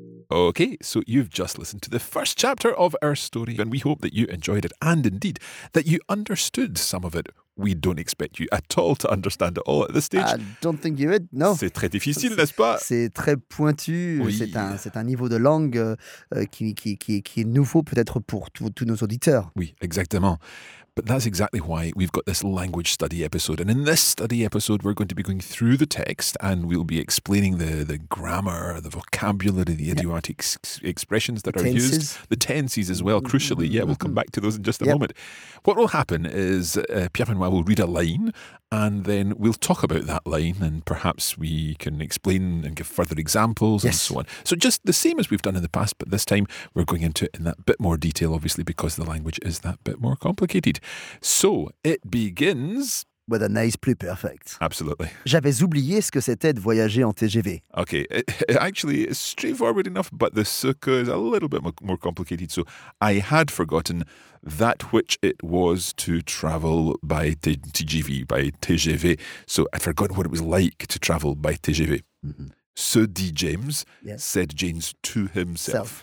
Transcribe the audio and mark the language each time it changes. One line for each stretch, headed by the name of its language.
English: Okay, so you've just listened to the first chapter of our story, and we hope that you enjoyed it, and indeed, that you understood some of it. We don't expect you at all to understand it all at this stage. I don't think you would, no.
French: C'est très difficile, c'est, n'est-ce pas? C'est très pointu. Oui. C'est un niveau de langue qui est nouveau peut-être pour tous nos auditeurs. Oui, exactement.
English: But that's exactly why we've got this language study episode. And in this study episode, we're going to be going through the text and we'll be explaining the grammar, the vocabulary, the idiomatic expressions that the are tenses. Used. The tenses as well, crucially. Yeah, we'll come back to those in just a moment. What will happen is Pierre Benoit will read a line and then we'll talk about that line and perhaps we can explain and give further examples and so on. So just the same as we've done in the past, but this time we're going into it in that bit more detail, obviously, because the language is that bit more complicated. So, it begins... With a nice plus perfect. Absolutely.
French: J'avais oublié ce que c'était de voyager en TGV.
English: Okay, it actually, it's straightforward enough, but the sukkah is a little bit more complicated. So, I had forgotten that which it was to travel by TGV, by TGV. So, I'd forgotten what it was like to travel by TGV. Mm-hmm. So dit James, said James to himself.